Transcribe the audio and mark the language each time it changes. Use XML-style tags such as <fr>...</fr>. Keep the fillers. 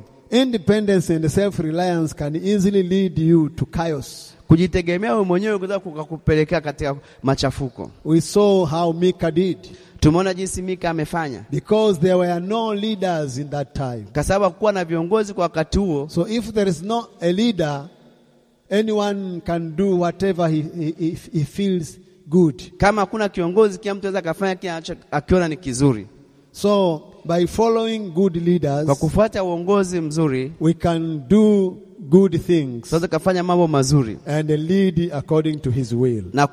<en>Independence and self-reliance can easily lead you to chaos.</en> <sw>kujitegemea wewe mwenyewe kuweza kukupelekea katika machafuko.</sw> <en>We saw how Mika did.</en> <sw>Tumeona jinsi Mika amefanya.</sw> <en>Because there were no leaders in that time.</en> <sw>Kwa sababu hakuwa na viongozi kwa wakati huo.</sw> <en>So if there is no a leader, anyone can do whatever he, he, he feels good.</en> <sw>Kama hakuna kiongozi, kila mtu anaweza kufanya kile akiona ni kizuri.</sw> <en>So by following good leaders,</en> <sw>kwa kufuata uongozi mzuri,</sw> <en>we can do good things and lead according to his will.</en>